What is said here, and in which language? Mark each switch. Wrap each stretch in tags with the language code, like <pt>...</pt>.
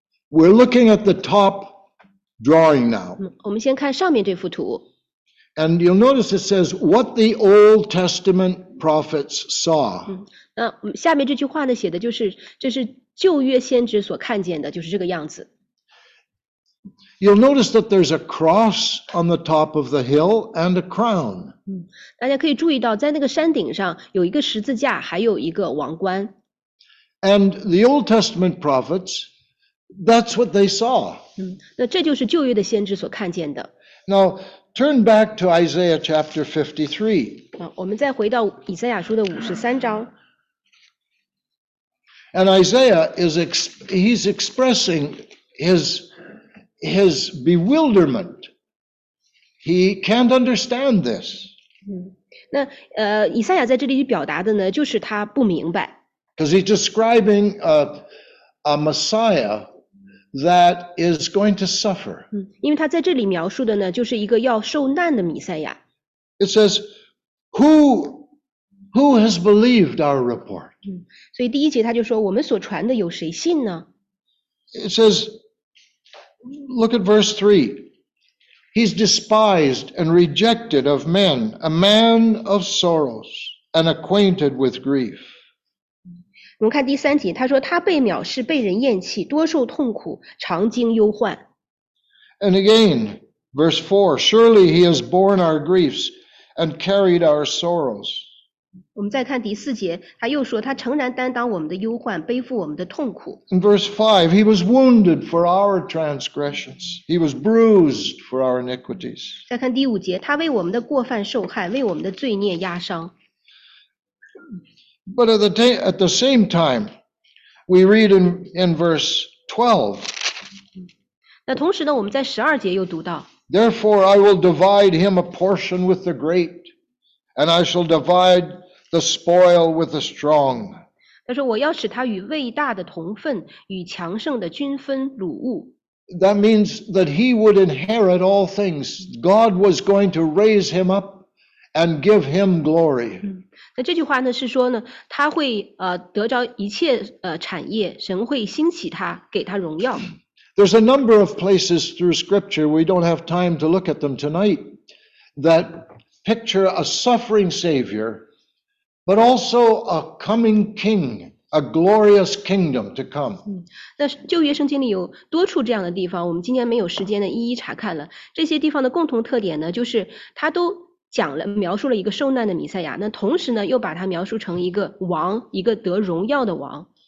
<en>We're looking at the top drawing now.</en> <zh>我们先看上面这幅图。</zh> <en>And you'll notice it says, what the Old Testament prophets saw.</en> <zh>下面这句话呢写的就是，这是旧约先知所看见的，就是这个样子。</zh> <en>You'll notice that there's a cross on the top of the hill and a crown.</en> <zh>大家可以注意到，在那个山顶上有一个十字架，还有一个王冠。</zh> <en>And the Old Testament prophets, that's what they saw.</en> <zh>那这就是旧约的先知所看见的。</zh> <en>Now,Turn back to Isaiah chapter 53.</en> <zh>我们再回到以赛亚书的53章。</zh> <en>And Isaiah he's expressing his bewilderment. He can't understand this.</en> <zh>那以赛亚在这里表达的呢，就是他不明白。</zh> <en>Because he's describing a Messiah. That is going to suffer.</en> <zh>因为他在这里描述的呢，就是一个要受难的弥赛亚。</zh> <en>It says, who has believed our report?</en> <zh>所以第一节他就说，我们所传的有谁信呢？</zh> <en>It says, look at verse 3. He's despised and rejected of men, a man of sorrows and acquainted with grief.</en> <zh>我们看第三节，他说他被藐视，被人厌弃，多受痛苦，常经忧患。</zh> <en>And again, verse 4, surely he has borne our griefs and carried our sorrows.</en> <zh>我们再看第四节，他又说他诚然担当我们的忧患，背负我们的痛苦。</zh> <en>In verse 5, he was wounded for our transgressions. He was bruised for our iniquities.</en> <zh>再看第五节，他为我们的过犯受害，为我们的罪孽压伤。</zh> <en>But at the same time, we read in verse 12.</en> <zh>那同时呢，我们在十二节又读到。</zh> <en>Therefore, I will divide him a portion with the great, and I shall divide the spoil with the strong.</en> <zh>他说我要使他与伟大的同分，与强盛的均分掳物。</zh> <en>That means that he would inherit all things. God was going to raise him up and give him glory.</en> <zh>那这句话呢是说呢，他会得着一切产业，神会兴起他，给他荣耀。</zh> <en>There's a number of places through Scripture, we don't have time to look at them tonight, that picture a suffering Savior, but also a coming King, a glorious kingdom to come.</en> <zh>那旧约圣经里有多处这样的地方，我们今天没有时间呢，一一查看了。这些地方的共同特点呢，就是它都讲了描述了一个受难的弥赛亚，那同时呢，又把它描述成一个王，一个得荣耀的王。</zh>